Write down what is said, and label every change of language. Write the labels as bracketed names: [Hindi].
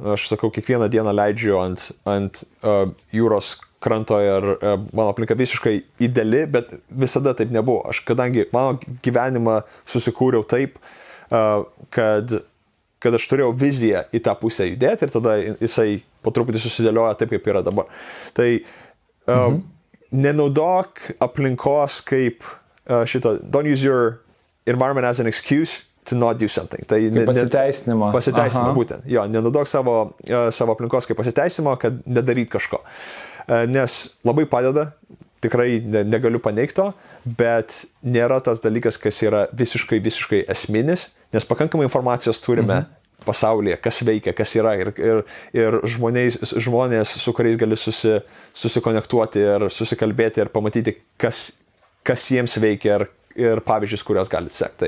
[Lithuanian] Aš sakau, kiekvieną dieną leidžiu ant jūros kranto ir mano aplinka visiškai ideali, bet visada taip nebuvo. Aš kadangi mano gyvenimą susikūriau taip, kad aš turėjau viziją į tą pusę judėti ir tada jisai po truputį susidėlioja taip, kaip yra dabar. Tai nenaudok aplinkos kaip šito, [English] don't use your environment as an excuse to not do something. [Lithuanian] Tai pasiteisinimo. Pasiteisinimo, būtent. Jo, nenaudok savo aplinkos kaip pasiteisinimo, kad nedaryt kažko. Nes labai padeda, tikrai negaliu paneigti to, bet nėra tas dalykas, kas yra visiškai, visiškai esminis, nes pakankamai informacijos turime pasaulyje, kas veikia, kas yra, ir žmonės, su kuriais gali susikonektuoti ir susikalbėti ir pamatyti, kas jiems veikia ir pavyzdžius, kurios gali sekti.